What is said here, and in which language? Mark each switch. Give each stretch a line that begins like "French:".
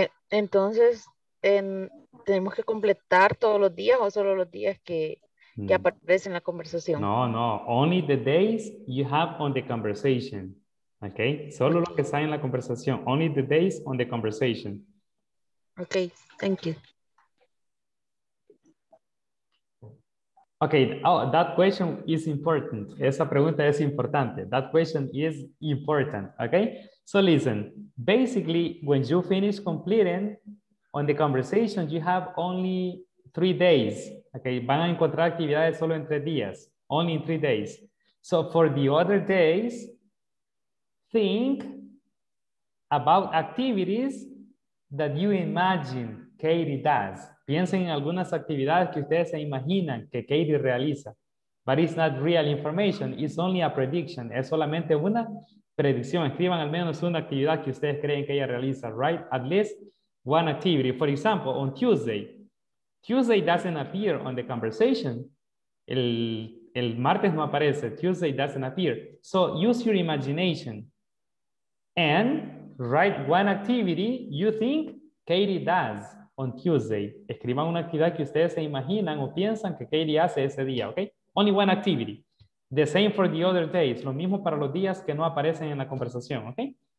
Spanish: Entonces, tenemos que completar todos los días o solo los días que aparecen en la conversación. No.
English: Only the days you have on the conversation.
Spanish: Okay. Solo lo que está en la conversación.
English: Only the days on the conversation. Okay. Thank you. Okay, oh, that question is important.
Spanish: Esa pregunta es importante.
English: That question is important, okay? So listen, basically, when you finish completing on the conversation, you have only 3 days, okay?
Spanish: Van a encontrar actividades solo en 3 días,
English: only in 3 days. So for the other days, think about activities that you imagine Katie does.
Spanish: Piensen en algunas actividades que ustedes se imaginan que Katie realiza.
English: But it's not real information. It's only a prediction.
Spanish: Es solamente una predicción. Escriban al menos una actividad que ustedes creen que ella realiza.
English: Right? At least one activity. For example, on Tuesday. Tuesday doesn't appear on the conversation.
Spanish: El martes no aparece.
English: Tuesday doesn't appear. So use your imagination. And write one activity you think Katie does. On Tuesday,
Spanish: escriban una actividad que ustedes se imaginan o piensan que Katie hace ese día, ¿ok?
English: Only one activity. The same for the other days.
Spanish: Lo mismo para los días que no aparecen en la conversación, ¿ok?